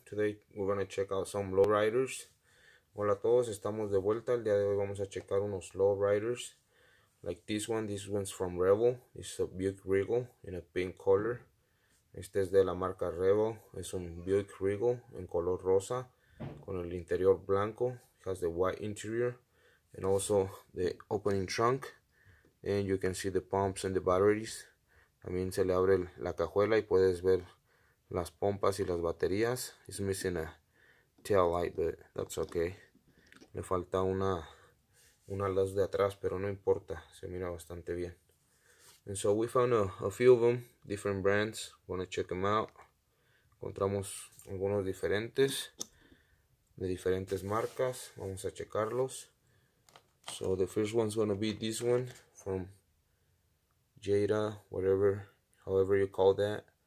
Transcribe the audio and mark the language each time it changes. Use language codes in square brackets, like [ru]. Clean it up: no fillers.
[en] Today we're going to check out some lowriders. [es] Hola a todos, estamos de vuelta. El día de hoy vamos a checar unos lowriders. [en] Like this one, this one's from Revo. It's a Buick Regal in a pink color. [es] Este es de la marca Revo. Es un Buick Regal en color rosa con el interior blanco. [en] It has the white interior and also the opening trunk. And you can see the pumps and the batteries. [es] También se le abre la cajuela y puedes ver las pompas y las baterías. [en] It's missing a tail light, but that's okay. [es] Le falta una luz de atrás, pero no importa. Se mira bastante bien. [en] And so we found a few of them, different brands. Wanna check them out. [es] Encontramos algunos diferentes, de diferentes marcas. Vamos a checarlos. [en] So the first one's gonna be this one from Jada, whatever, however you call that.